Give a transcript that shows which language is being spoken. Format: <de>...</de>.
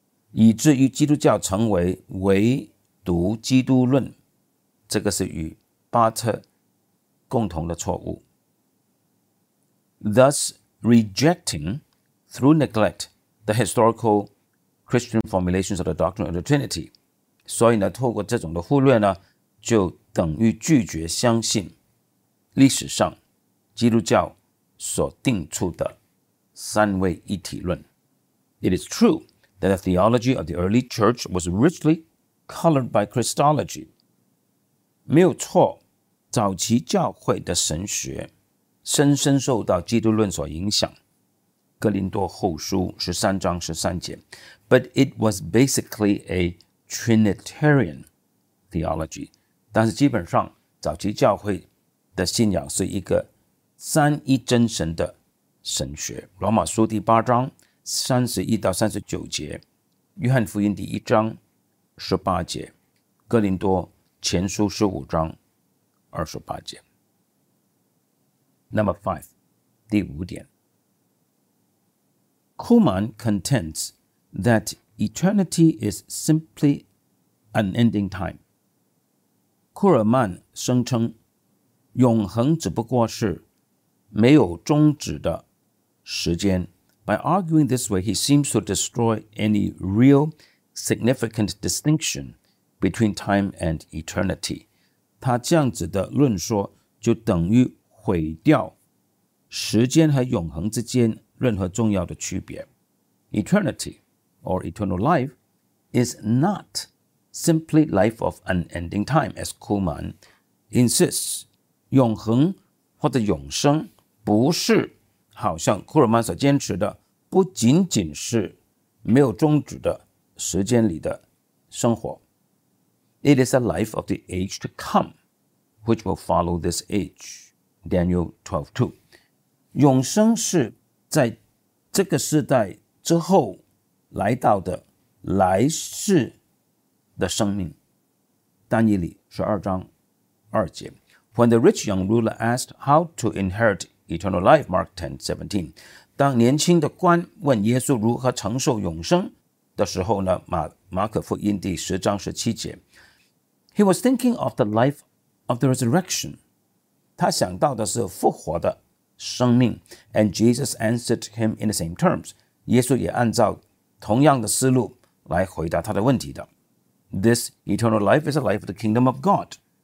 <zh>以至于基督教成为唯独基督论这个是与巴特共同的错误</zh> <en>Thus, rejecting through neglect the historical Christian formulations of the doctrine of the Trinity.</en> <zh>所以呢透过这种的忽略呢就等于拒绝相信历史上基督教所定出的三位一体论。</zh> <en>It is true that the theology of the early church was richly colored by Christology.</en> <zh>没有错早期教会的神学深深受到基督论所影响。哥林多后书13章13节</zh> <en>But it was basically a Trinitarian theology.</en> <zh>但是基本上早期教会的信仰是一个三一真神的神学。罗马书第八章31-39节，约翰福音第一章18节，哥林多前书15章28节。</zh> <en>Number five，</en> <zh>第五点。</zh> <en>Kuhlmann contends that eternity is simply an ending time。</en> <zh>库尔曼声称，永恒只不过是没有终止的。时间</zh> <en>By arguing this way, he seems to destroy any real significant distinction between time and eternity.</en> <zh>他这样子的论说就等于毁掉时间和永恒之间任何重要的区别。</zh> <en>Eternity, or eternal life, is not simply life of unending time, as Kuhlmann insists.</en> <zh>永恒或者永生不是好像库尔曼所坚持的不仅仅是没有终止的时间里的生活。</zh> <en>It is a life of the age to come, which will follow this age. Daniel 12:2.</en> <zh>永生是在这个时代之后来到的来世的生命。丹尼里12章2节。</zh> <en>When the rich young ruler asked how to inherit Eternal life, Mark 10:17.</en> <zh>当年轻的官问耶稣如何承受永生的时候呢？马可福音第十章十七节。</zh> <en>He was thinking of the life of the resurrection.</en> <zh>他想到的是复活的生命。</zh> <en>And Jesus answered him in the same terms.</en> <zh>耶稣也按照同样的思路来回答他的问题的。</zh> <en>This eternal life is a life of the kingdom of God.</en>